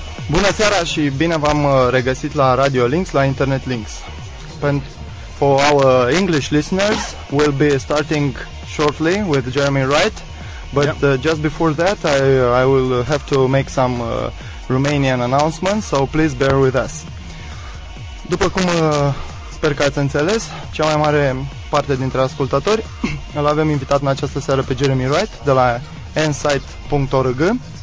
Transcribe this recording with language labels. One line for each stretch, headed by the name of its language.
Romanian: Bună seara și bine v-am regăsit la Radio Links, la Internet Links.
English: For our English listeners, we'll be starting shortly with Jeremy Wright. But yep. Just before that, I will have to make some Romanian announcements, so please bear with us.
Romanian: După cum sper că ați înțeles, cea mai mare parte dintre ascultători îl avem invitat în această seară pe Jeremy Wright de la nsite.org.